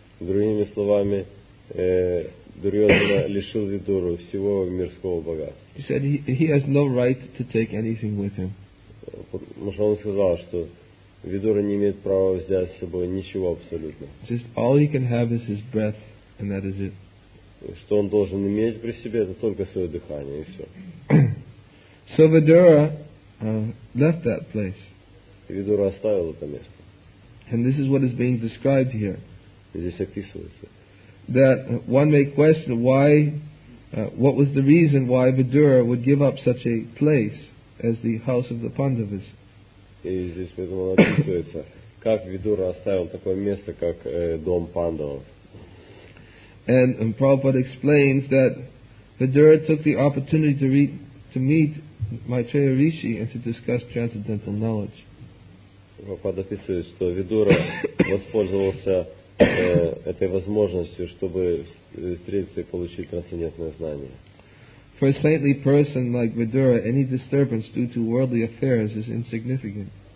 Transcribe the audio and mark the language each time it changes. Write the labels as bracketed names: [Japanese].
[Russian] Другими словами, Дурьодхана лишил Видуру всего мирского богатства. [English] He said he has no right to take anything with him. [Russian] Потому что он сказал, что Видура не имеет права взять с собой ничего абсолютно. [English] Just all he can have is his breath, and that is it. [Russian] Что он должен иметь при себе, это только свое дыхание, и все. [English] So Vidura left that place. [Russian] Видура оставил это место. [English] And this is what is being described here. [Russian] И здесь описывается. [English] That one may question why, what was the reason why Vidura would give up such a place as the house of the Pandavas. [Russian] И здесь поэтому описывается, как Видура оставил такое место, как дом Пандавов. [English] And Prabhupada explains that Vidura took the opportunity to meet Maitreya Rishi and to discuss transcendental knowledge. [Russian] Прабхупада описывает, что Видура воспользовался этой возможностью, чтобы встретиться и получить трансцендентное знание. [English] For a saintly person like Vidura, any disturbance due to worldly affairs is insignificant.